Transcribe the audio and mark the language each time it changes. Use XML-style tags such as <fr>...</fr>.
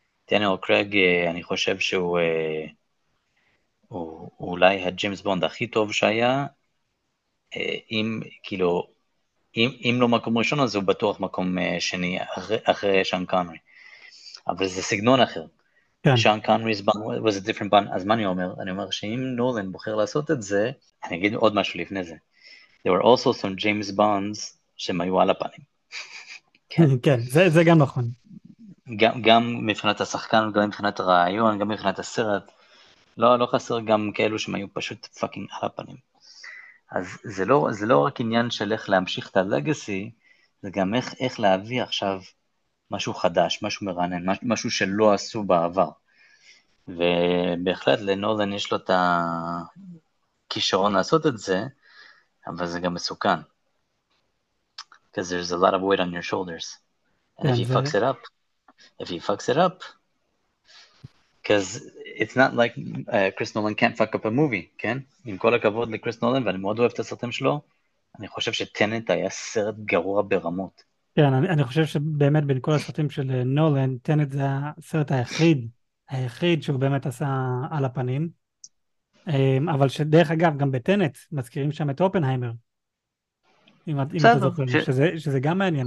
<he>דניאל קרג אני חושב שהוא הוא אולי הג'יימס בונד הכי טוב שהיה, אם כאילו אם לא מקום ראשון אז הוא בטוח מקום שני אחרי שאן קאנרי. אבל זה סגנון אחר.</he> <en>שאן קאנרי's bond was a different bond.</en> <he>אז מה אני אומר? אני אומר שאם נולן בוחר לעשות את זה, אני אגיד עוד משהו לפני זה.</he> <en>There were also some James Bonds</en> <he>שהם היו על הפנים. כן, זה גם נכון. גם מבחינת השחקן, גם מבחינת הרעיון, גם מבחינת הסרט, לא חסר גם כאלו שהם היו פשוט פאקינג על הפנים. אז זה לא רק עניין של איך להמשיך את הלגסי, זה גם איך להביא עכשיו משהו חדש, משהו מרענן, משהו שלא עשו בעבר. ובהחלט לנולן יש לו את הכישרון לעשות את זה, אבל זה גם מסוכן.</he> <en>Because there's a lot of weight on your shoulders. And if he fucks it up, because it's not like Chris Nolan can't fuck up a movie,</en> <he>כן? עם כל הכבוד לקריס נולן, ואני מאוד אוהב את הסרטים שלו, אני חושב שטנט היה סרט גרוע ברמות. כן, אני חושב שבאמת בין כל הסרטים של נולן, טנט זה הסרט היחיד שהוא באמת עשה על הפנים. אבל שדרך אגב, גם בטנט מזכירים שם את אופנהיימר. אם אתה זוכר, שזה גם מעניין.</he>